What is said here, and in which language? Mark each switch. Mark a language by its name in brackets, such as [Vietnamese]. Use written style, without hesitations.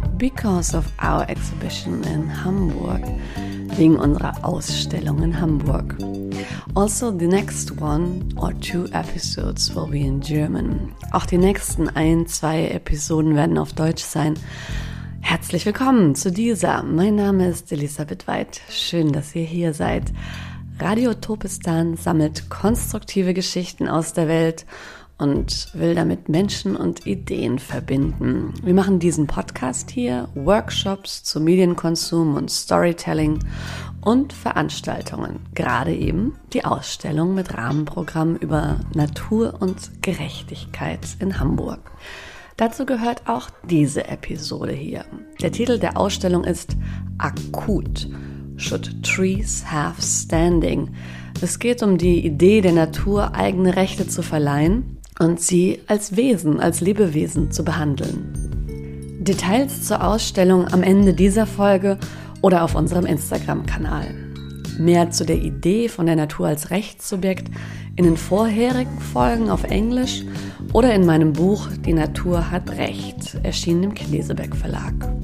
[English] Because of our exhibition in Hamburg. [German] Wegen unserer Ausstellung in Hamburg. [English] Also the next one or two episodes will be in German. [German] Auch die nächsten ein, zwei Episoden werden auf Deutsch sein. Herzlich willkommen zu dieser. Mein Name ist Elisabeth Weidt. Schön, dass ihr hier seid. Radio Utopistan sammelt konstruktive Geschichten aus der Welt und will damit Menschen und Ideen verbinden. Wir machen diesen Podcast hier, Workshops zu Medienkonsum und Storytelling und Veranstaltungen. Gerade eben die Ausstellung mit Rahmenprogramm über Natur und Gerechtigkeit in Hamburg. Dazu gehört auch diese Episode hier. Der Titel der Ausstellung ist Akut. [English] Should trees have standing? [German] Es geht um die Idee der Natur, eigene Rechte zu verleihen und sie als Wesen, als Lebewesen zu behandeln. Details zur Ausstellung am Ende dieser Folge oder auf unserem Instagram-Kanal. Mehr zu der Idee von der Natur als Rechtssubjekt in den vorherigen Folgen auf Englisch oder in meinem Buch Die Natur hat Recht, erschienen im Knesebeck Verlag.